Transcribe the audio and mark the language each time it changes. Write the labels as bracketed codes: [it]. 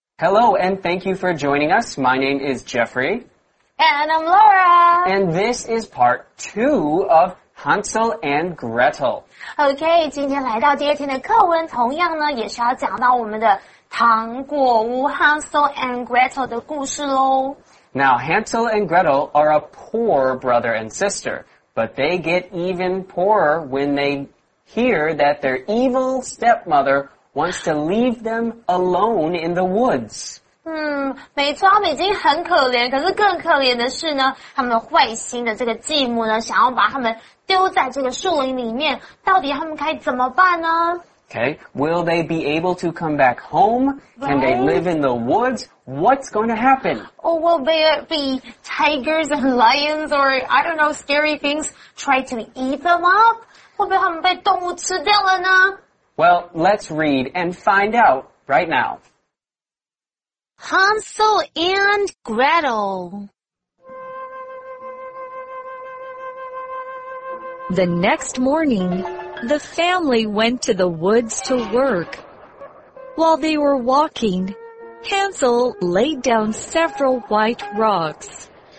[en] Hello, and thank you for joining us. My name is Jeffrey. And I'm Laura. And this is part two of Hansel and Gretel. [zh] Okay, 今天来到第二天的课文，同样呢，也是要讲到我们的糖果屋 Hansel and Gretel 的故事咯。 [en] Now, Hansel and Gretel are a poor brother and sister, but they get even poorer when they hear that their evil stepmother wants to leave them alone in the woods. [zh] 没错，他们已经很可怜，可是更可怜的是呢，他们坏心的这个继母呢，想要把他们丢在这个树林里面，到底他们该怎么办呢？ [en] Okay, will they be able to come back home? Can they live in the woods? What's going to happen? Oh, will there be tigers and lions or, I don't know, scary things try to eat them up? [zh] 会不会他们被动物吃掉了呢？ [en] Well, let's read and find out right now. Hansel and Gretel. The next morning... The family went to the woods to work. While they were walking, Hansel laid down several white rocks.